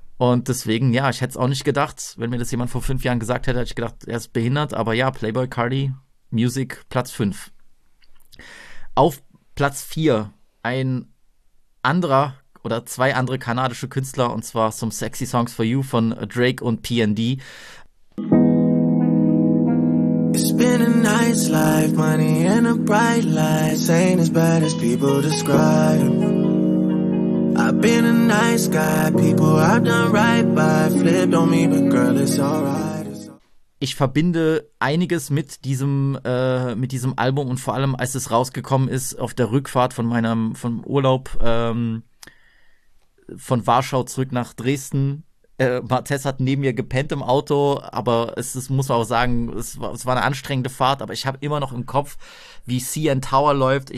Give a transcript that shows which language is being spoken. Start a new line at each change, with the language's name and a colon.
German: Und deswegen, ja, ich hätte es auch nicht gedacht, wenn mir das jemand vor 5 Jahren gesagt hätte, hätte ich gedacht, er ist behindert. Aber ja, Playboi Carti, Music, Platz 5. Auf Platz 4 ein anderer oder zwei andere kanadische Künstler, und zwar Some Sexy Songs for You von Drake und PND.
English: It's been a nice life, money and a bright light. Ain't as bad as people describe. I've been a nice guy, people I've done right by. Flipped on me, but girl, it's alright.
German: Ich verbinde einiges mit diesem Album und vor allem, als es rausgekommen ist, auf der Rückfahrt vom Urlaub von Warschau zurück nach Dresden. Martez hat neben mir gepennt im Auto, aber es muss man auch sagen, es war eine anstrengende Fahrt, aber ich habe immer noch im Kopf, wie CN Tower läuft.